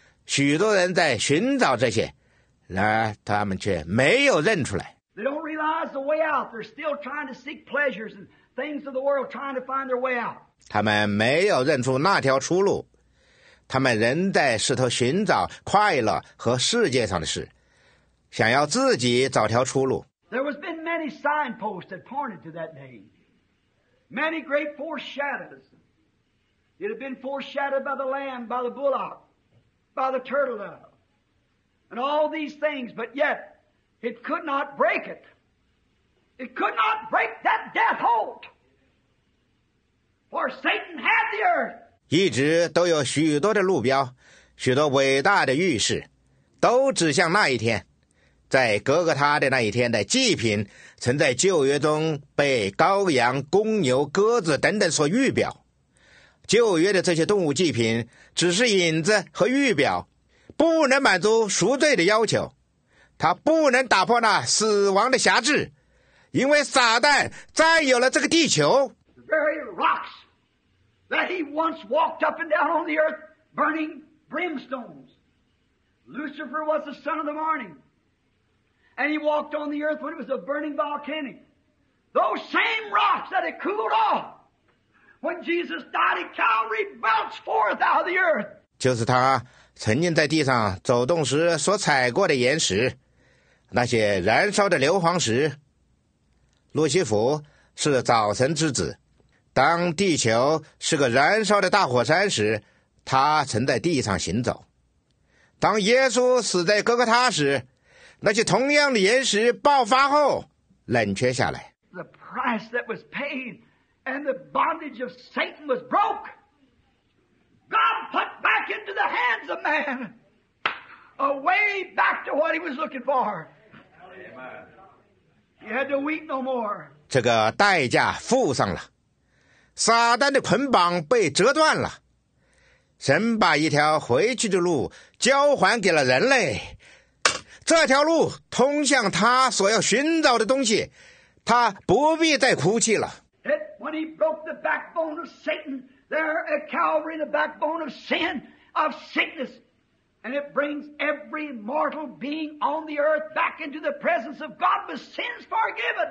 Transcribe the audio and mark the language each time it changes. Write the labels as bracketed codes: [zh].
[zh] 许多人在寻找这些，然而他们却没有认出来。 [en] They don't realize the way out. They're still trying to seek pleasures and things of the world, trying to find their way out. [zh] 他们没有认出那条出路，他们仍在试图寻找快乐和世界上的事，想要自己找条出路。 [en] There was been many signposts that pointed to that day. Many great foreshadows. It had been foreshadowed by the lamb, by the bullock, by the turtle dove, and all these things, but yet it could not break it. It could not break that death hold. For Satan had the earth. [zh] 一直都有许多的路标，许多伟大的预示，都指向那一天。在格格他的那一天的祭品，曾在旧约中被羔羊、公牛、鸽子等等所预表。旧约的这些动物祭品只是引子和预表，不能满足赎罪的要求，它不能打破那死亡的辖制，因为撒旦占有了这个地球。 [en] The very rocks that he once walked up and down on the earth, burning brimstones. Lucifer was the son of the morning. And he walked on the earth when it was a burning volcano. Those same rocks that had cooled off when Jesus died at Calvary bounced forth out of the earth. [zh] 就是他曾经在地上走动时所踩过的岩石，那些燃烧的硫磺石。路西弗是早晨之子，当地球是个燃烧的大火山时，他曾在地上行走。当耶稣死在哥哥他时，那些同样的岩石爆发后冷却下来。 [en] The price that was paid and the bondage of Satan was broke. God put back into the hands of man a way back to what he was looking for. He had to weep no more. [zh] 这个代价付上了，撒旦的捆绑被折断了，神把一条回去的路交还给了人类。这条路通向他所要寻找的东西，他不必再哭泣了。 [en] It, when he broke the backbone of Satan, there at Calvary, the backbone of sin, of sickness, and it brings every mortal being on the earth back into the presence of God with sins forgiven.